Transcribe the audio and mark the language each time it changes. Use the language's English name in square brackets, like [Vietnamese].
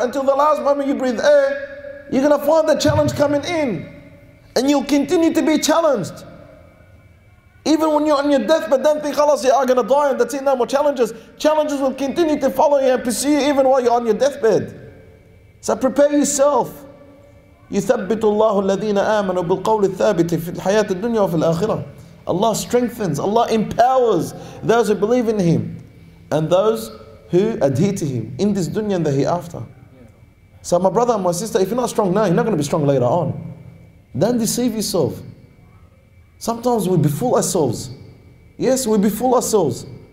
[English] Until the last moment you breathe air. You're going to find the challenge coming in. And you'll continue to be challenged. Even when you're on your deathbed, don't think, Allah, you are going to die and that's it, no more challenges. Challenges will continue to follow you and pursue you even while you're on your deathbed. So prepare yourself. [Arabic] يثبت الله الذين آمنوا بالقول الثابت في الحياة الدنيا وفي الآخرة. [English] Allah strengthens, Allah empowers those who believe in Him and those who adhere to Him in this dunya and the hereafter. So my brother and my sister, if you're not strong now, you're not going to be strong later on. Don't deceive yourself. Sometimes we befool ourselves. Yes, we befool ourselves.